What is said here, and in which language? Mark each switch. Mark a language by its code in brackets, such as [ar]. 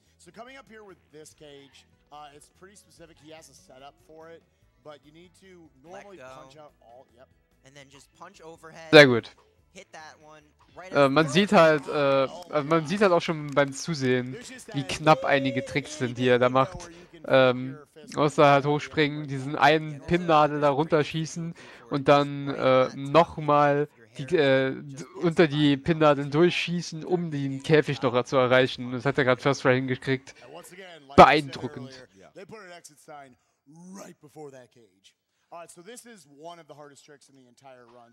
[en] So coming up here with this cage, it's pretty specific. He has a setup for it, but you need to normally punch out all. Yep. And then just punch overhead. [de] Sehr gut. [en] Hit that one. [de] Right man sieht halt, man sieht halt auch schon beim Zusehen, wie knapp einige Tricks sind, die er da macht. Außer halt hochspringen, diesen einen Pinnnadel da runterschießen und dann nochmal. Die, unter die Pinnadeln durchschießen, um den Käfig noch zu erreichen. Das hat er gerade First Try hingekriegt. Beeindruckend. [en] Alright, so this is one of the hardest tricks in the entire run.